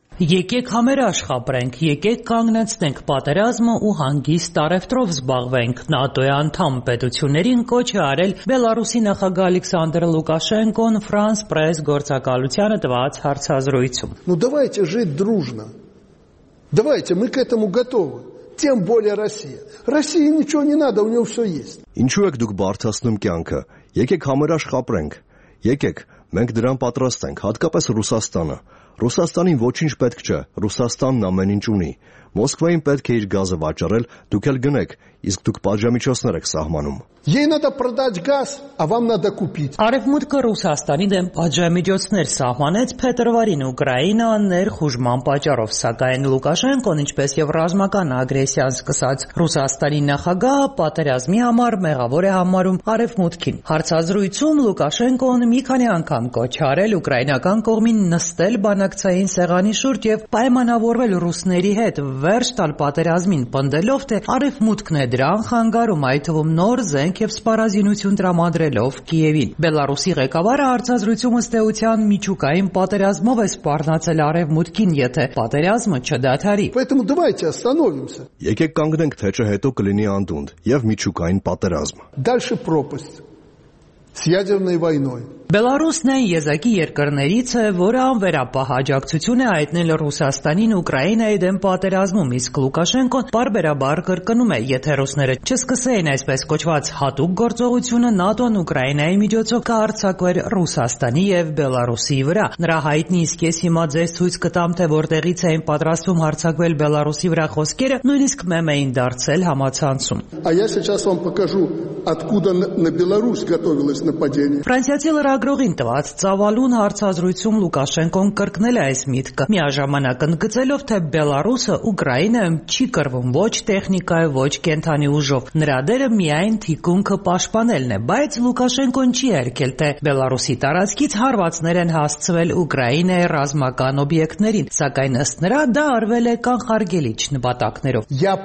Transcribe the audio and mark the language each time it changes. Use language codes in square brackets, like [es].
[hy] Եկեք համերաշխ ապրենք, եկեք կանգնեցնենք պատերազմը ու հանգիստ առևտրով զբաղվենք, ՆԱՏՕ-ի անդամ պետություններին կոչ է արել Բելարուսի նախագահ Ալեքսանդր Լուկաշենկոն Ֆրանս Պրես գործակալությանը տված հարցազրույցում։ [ru] Ну давайте жить дружно. Давайте, мы к этому готовы. Тем более Россия. России ничего не надо, у неё всё есть. [hy] Ինչու եք դուք բարձրացնում կյանքը։ Եկեք համերաշխ ապրենք։ Եկեք, մենք դրան պատրաստ ենք, հատկապես Ռուսաստանը։ Ռուսաստանին ոչինչ պետք չէ, Ռուսաստանն ամեն ինչ ունի։ Մոսկվային պետք է իր գազը վաճառել, դուք էլ գնեք, իսկ դուք պատժամիջոցներ եք սահմանում։ [ru] Ей надо продать газ, а вам надо купить. [hy] Արևմուտքը Ռուսաստանի դեմ պատժամիջոցներ սահմանեց փետրվարին Ուկրաինան ներխուժման պատճառով, սակայն Լուկաշենկոն, ինչպես եւ ռազմական ագրեսիան սկսած Ռուսաստանի նախագահ, պատերազմի համար մեղավոր է համարում արևմուտքին։ Հարցազրույցում Լուկաշենկոն մի քանի անգամ կոչ արել ուկրաինական կողմին նստել բանակցային սեղանի շուրջ եւ պայմանավորվել ռուսների հետ, վերջ տալ պատերազմին, պնդելով, թե արևմուտքն է դրան խանգարում, այդ թվում նոր Զենք եւ սպառազինություն տրամադրելով Կիևին։ Բելարուսի ղեկավարը հարցազրույցում ըստ էության միջուկային պատերազմով է սպառնացել արևմուտքին, եթե պատերազմը չդադարի։ Եկեք կանգնենք, թե չէ հետո կլինի անդունդ եւ միջուկային պատերազմ։ [ru] Дальше пропасть с ядерной войной. [hy] Բելարուսն այն եզակի երկրներից է, որը անվերապահ աջակցություն է հայտնել Ռուսաստանին Ուկրաինայի դեմ պատերազմում, իսկ Լուկաշենկոն պարբերաբար կրկնում է, եթե ռուսները չսկսեին այսպես կոչված հատուկ գործողությունը, ՆԱՏՕ-ն Ուկրաինայի միջոցով կհարձակվեր Ռուսաստանի եւ Բելարուսի վրա։ Նրա հայտնի «Իսկ ես հիմա ձեզ ցույց կտամ, թե որտեղից էին պատրաստվում հարձակվել Բելարուսի վրա» խոսքերը նույնիսկ մեմ էին դարձել համացանցում։ [ru] Այս сейчас вам покажу, откуда на Беларусь готовилось нападение. [hy] Ֆրանսիացի Ագրողին տված ծավալուն հարցազրույցում Լուկաշենկոն կրկնել է այս միտքը, միաժամանակ ընդգծելով, թե Բելարուսը Ուկրաինայում չի կրվում ոչ տեխնիկայով, ոչ կենթանի ուժով, նրա դերը միայն թիկունքը պաշտպանելն է, բայց Լուկաշենկոն չի երկել, թե Բելարուսի տարածքից հարվածներ են հասցվել Ուկրաինայի ռազմական օբյեկտներին, սակայն ըստ նրա դա արվել է կանխարգելիչ նպատակներով։